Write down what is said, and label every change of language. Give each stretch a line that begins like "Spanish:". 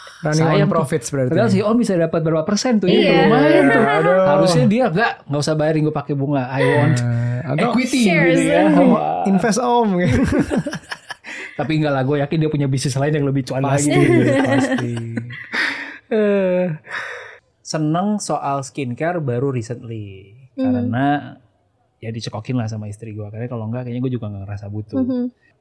English: Running on profits
Indonesian: berarti. Padahal si Om bisa dapat berapa persen tuh. Iya. Lumayan tuh. Harusnya dia gak usah bayarin gue pakai bunga.
English: I want equity.
Indonesian: Invest Om. Tapi enggak lah, gue yakin dia punya bisnis lain yang lebih cuan pasti, lagi. Pasti. seneng soal skincare baru recently. Karena ya dicekokin lah sama istri gue. Karena kalau enggak kayaknya gue juga gak ngerasa butuh.